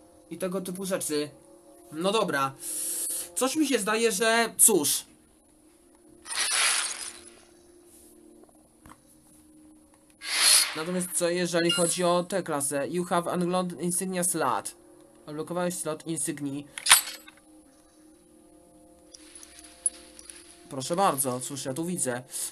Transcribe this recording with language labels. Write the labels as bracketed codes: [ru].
[pl] I tego typu rzeczy. No dobra. Coś mi się zdaje, że... Cóż. Natomiast co jeżeli chodzi o tę klasę? [en] You have unlocked insignia slot. [pl] Odblokowałeś slot insygni. Proszę bardzo, cóż ja tu widzę.